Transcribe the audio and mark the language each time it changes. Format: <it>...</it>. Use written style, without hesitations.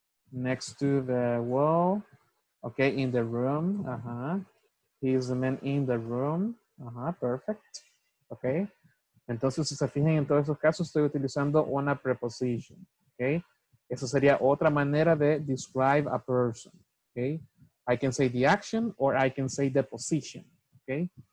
<en>Next to the wall, okay, in the room, uh-huh. He's the man in the room, uh-huh, perfect, okay.</en> <es>Entonces, si se fijan en todos esos casos, estoy utilizando una preposition, okay. Eso sería otra manera de</es> <en>describe a person,</en> <es>okay.</es> <en>I can say the action or I can say the position, okay.</en>